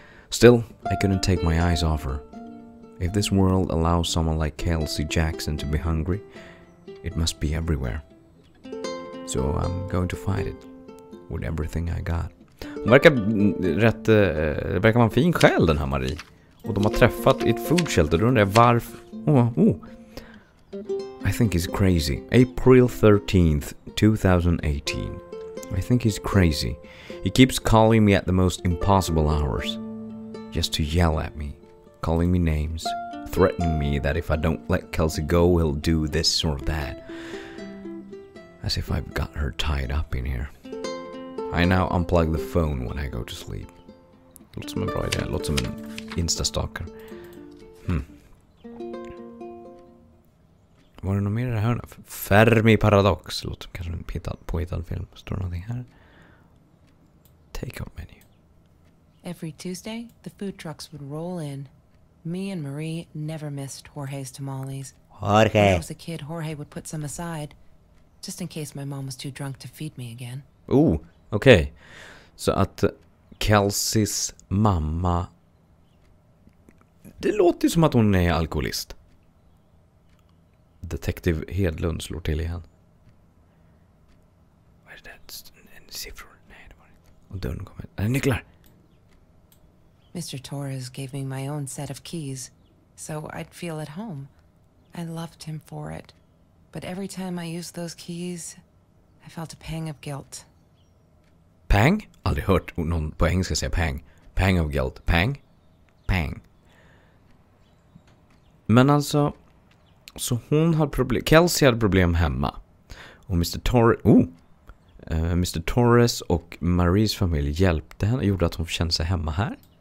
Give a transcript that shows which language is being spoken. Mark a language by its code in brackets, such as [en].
[en] Still, I couldn't take my eyes off her. If this world allows someone like Kelsey Jackson to be hungry, it must be everywhere. So I'm going to fight it with everything I got. [sv] Hon verkar rätt... verkar vara en fin själ, den här Marie. Och de har träffat ett food shelter. Då undrar jag varför... [en] I think he's crazy. April 13th, 2018. I think he's crazy. He keeps calling me at the most impossible hours. Just to yell at me. Calling me names. Threatening me that if I don't let Kelsey go, he'll do this or that. As if I've got her tied up in here. I now unplug the phone when I go to sleep. [sv] Låter som en bra idé. Låter som en instastalker. Var det något mer i det här? Fermi-paradox. Låt som kanske en påhittad film. Står det någonting här? Take-out menu. [en] Every Tuesday, the food trucks would roll in. Me and Marie never missed Jorge's tamales. Jorge! When I was a kid, Jorge would put some aside. Just in case my mom was too drunk to feed me again. [sv] Ooh, okej. Okay. Så att Kelseys mamma... Det låter ju som att hon är alkoholist. Detektiv Hedlund slår till igen. Vad är det där? Siffror? Nej, det var inte. Och dörren kommer. Är det nycklar? [en] Mr. Torres gave me my own set of keys, so I'd feel at home. I loved him for it. But every time I used those keys, I felt a pang of guilt. Pang? [sv] Aldrig hört någon på engelska säga pang. [en] Pang of guilt. Pang? Pang. [sv] Men alltså... Så hon hade problem. Kelsey hade problem hemma. Och Mr. Torres och Maries familj hjälpte henne och gjorde att hon kände sig hemma här.